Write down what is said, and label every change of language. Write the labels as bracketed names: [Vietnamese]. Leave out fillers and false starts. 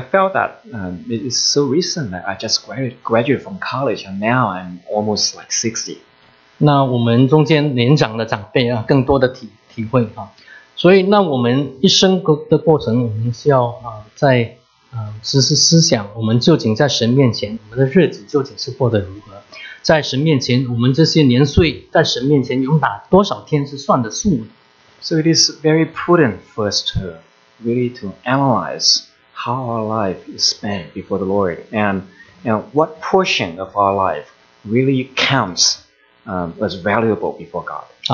[English] felt that it is so recent that I just graduated from college, and now I'm almost like 60. [Chinese] 那我们中间年长的长辈更多的体会，所以那我们一生的过程，我们是要在思想，我们究竟在神面前，我们的日子究竟是过得如何，在神面前，我们这些年岁在神面前有哪多少天是算得数的。So [English] it is very prudent for us to really to analyze how our life is spent before the Lord, and you know, what portion of our life really counts was valuable before God.